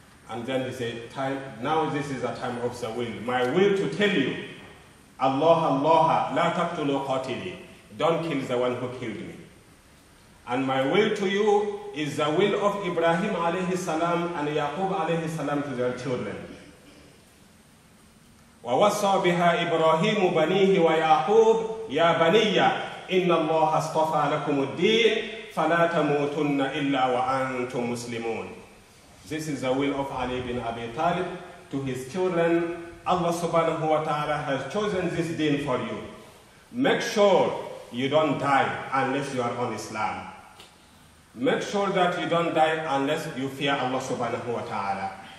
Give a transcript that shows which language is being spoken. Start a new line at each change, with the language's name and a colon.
English: And then he said, "Time, now this is the time of the will. My will to tell you, Allah, Allah,
Arabic: la taqtulu qatili.
English: Don't kill the one who killed me. And my will to you is the will of Ibrahim alayhi salam and Yaqub alayhi salam to their children.
Arabic: ووصى بها إبراهيم بنيه ويعقوب يا بني إن الله اصطفى لكم الدين فلا تموتن إلا وأنتم مسلمون.
English: This is the will of Ali bin Abi Talib to his children. Allah subhanahu wa ta'ala has chosen this deen for you. Make sure you don't die unless you are on Islam. Make sure that you don't die unless you fear Allah subhanahu wa ta'ala.